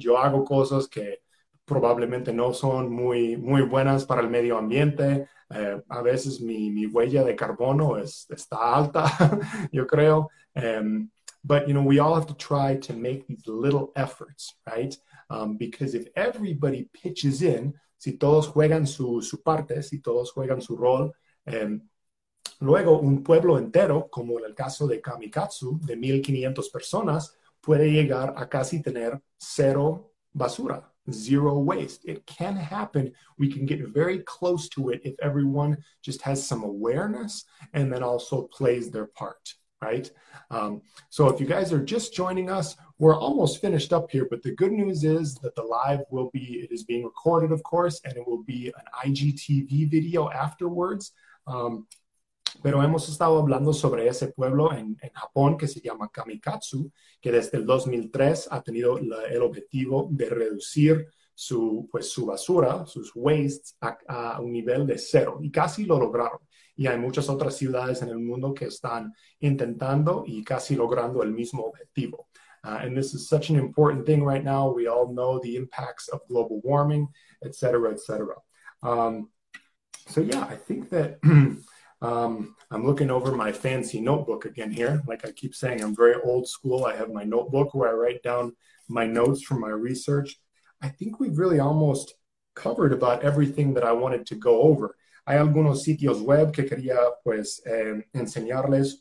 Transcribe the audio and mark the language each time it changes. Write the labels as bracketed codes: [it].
[es] Yo hago cosas que probablemente no son muy, muy buenas para el medio ambiente. A veces mi huella de carbono está alta, yo creo. [en] But, you know, we all have to try to make these little efforts, right? Because if everybody pitches in, [es] si todos juegan su parte, si todos juegan su rol, luego un pueblo entero, como en el caso de Kamikatsu, de 1,500 personas, puede llegar a casi tener cero basura, zero waste. [en] It can happen. We can get very close to it if everyone just has some awareness and then also plays their part, right? So if you guys are just joining us, we're almost finished up here, but the good news is that the live is being recorded, of course, and it will be an IGTV video afterwards. [es] Pero hemos estado hablando sobre ese pueblo en Japón que se llama Kamikatsu, que desde el 2003 ha tenido el objetivo de reducir su basura, sus wastes, a un nivel de cero, y casi lo lograron. Y hay muchas otras ciudades en el mundo que están intentando y casi logrando el mismo objetivo. [en] And this is such an important thing right now. We all know the impacts of global warming, et cetera, et cetera. I think that I'm looking over my fancy notebook again here. Like I keep saying, I'm very old school. I have my notebook where I write down my notes from my research. I think we've really almost covered about everything that I wanted to go over. [es] Hay algunos sitios web que quería pues enseñarles.